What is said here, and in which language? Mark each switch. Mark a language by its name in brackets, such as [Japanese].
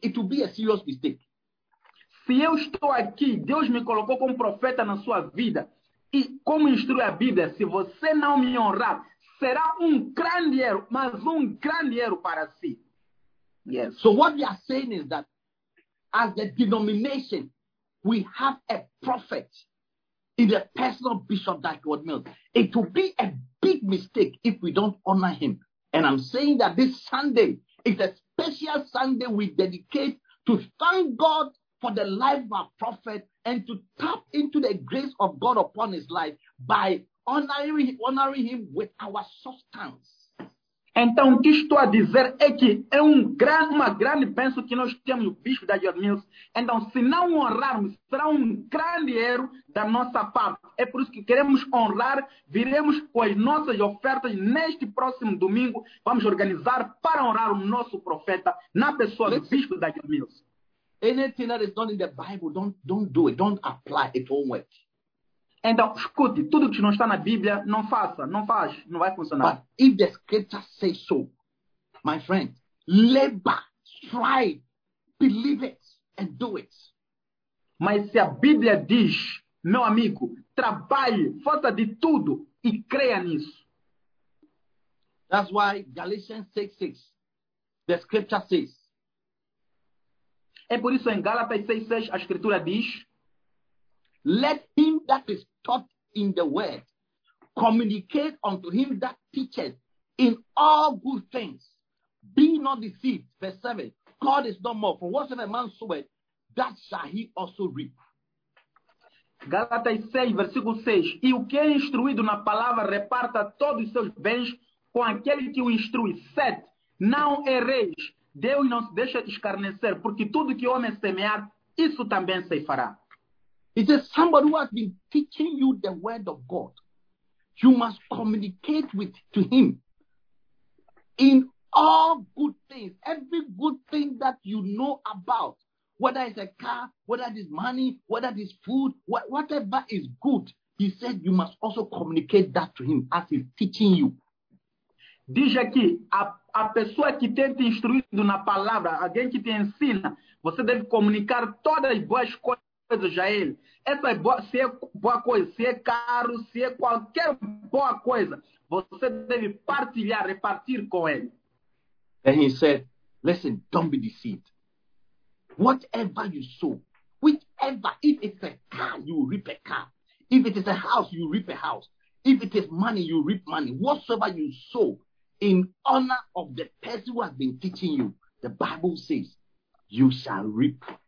[English] It will be a serious mistake. [Portuguese] Se eu estou aqui, Deus me colocou como profeta na sua vida, E como instrui a Bíblia, se você não me honrar, será grande erro, mas grande erro para si. [English] Yes. So what we are saying is that as the denomination, we have a prophet in the personal bishop that God Mills. It will be a big mistake if we don't honor him. And I'm saying that this Sunday is a special Sunday we dedicate to thank God for the life of our prophet and to tap into the grace of God upon his life by honoring him with our substance. [Portuguese] Então, o que estou a dizer é que é uma grande bênção que nós temos, o bispo da Jordan Mills. Então, se não honrarmos, será grande erro da nossa parte. É por isso que queremos honrar, viremos com as nossas ofertas neste próximo domingo. Vamos organizar para honrar o nosso profeta na pessoa do bispo da Jordan Mills. [English] Anything that is not in the Bible, don't do it, don't apply it, won't work. [Portuguese] Então, escute, tudo que não está na Bíblia, não faça, não faz, não vai funcionar. [English] But if the scripture says so, my friend, labor, strive, believe it, and do it. [Portuguese] Mas se a Bíblia diz, meu amigo, trabalhe, faça de tudo e creia nisso. [English] That's why Galatians 6:6, the scripture says. [Portuguese] É por isso em Gálatas 6:6, a escritura diz, [English] let him that is taught in the word communicate unto him that teacheth in all good things. Be not deceived. Verse 7. God is no more. For whatsoever a man soweth, that shall he also reap. [Portuguese] Galatas 6, versículo 6. E o que é instruído na palavra reparta todos os seus bens com aquele que o instrui. 7. Não erreis. Deus não se deixa escarnecer, porque tudo que o homem semear, isso também se fará. [English] It is somebody who has been teaching you the word of God. You must communicate to him in all good things. Every good thing that you know about, whether it's a car, whether it's money, whether it's food, whatever is good, he said you must also communicate that to him as he's teaching you. [Portuguese] Diz aqui, a pessoa que tem te instruído na palavra, alguém que te ensina, você deve comunicar todas as boas coisas. Essa é boa, se é boa coisa, se é caro, se é qualquer boa coisa, você deve partilhar, repartir com ele. [English] And he said, listen, don't be deceived. Whatever you sow, whichever, if it's a car, you reap a car. If it is a house, you reap a house. If it is money, you reap money. Whatsoever you sow, in honor of the person who has been teaching you, the Bible says, you shall reap.